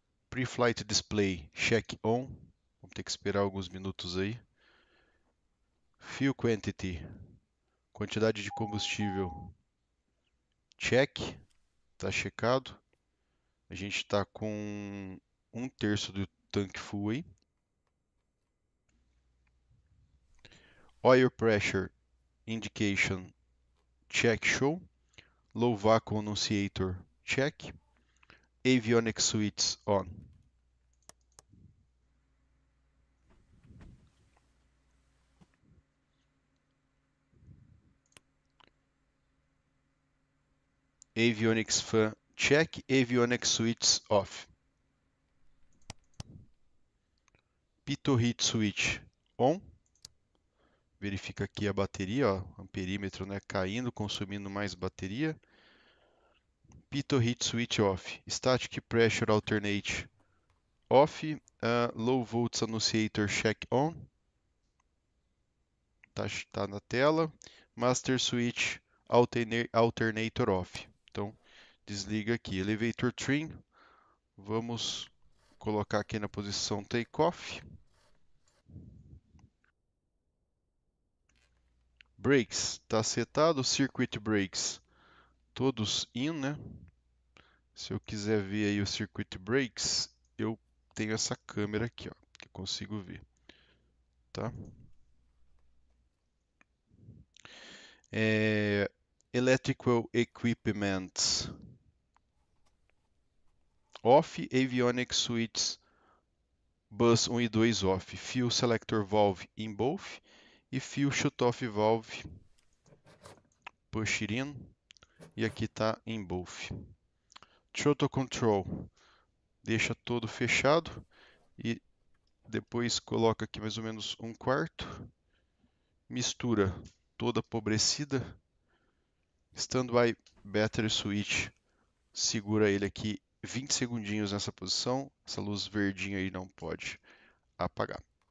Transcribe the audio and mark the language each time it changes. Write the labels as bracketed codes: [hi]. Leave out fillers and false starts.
[en] Pre-flight display check on. [pt] Vamos ter que esperar alguns minutos aí. [en] Fuel quantity, [pt] quantidade de combustível, check. Está checado. A gente está com um terço do tanque full aí. [en] Oil pressure indication check show. Low vacuum annunciator check. Avionics switch on. Avionics fan. Check avionics switch off. Pitot heat switch on. [pt] Verifica aqui a bateria, ó, amperímetro, né, caindo, consumindo mais bateria. [en] Pitot heat switch off. Static pressure alternate off. Low volts annunciator check on. [pt] Tá na tela. [en] Master switch alternator off. [pt] Então desliga aqui. [en] Elevator trim. [pt] Vamos colocar aqui na posição takeoff. Brakes. Está setado. [en] Circuit brakes. [pt] Todos in, né? Se eu quiser ver aí o circuit brakes, eu tenho essa câmera aqui, ó, que consigo ver. Tá? [en] Electrical equipments. Off, avionics switch, bus 1 e 2 off, fuel selector valve in both e fuel shutoff valve push it in e aqui está in both. [pt] Throttle control, deixa todo fechado e depois coloca aqui mais ou menos um quarto. Mistura toda apodrecida. [en] Standby battery switch, [pt] segura ele aqui 20 segundinhos nessa posição, essa luz verdinha aí não pode apagar.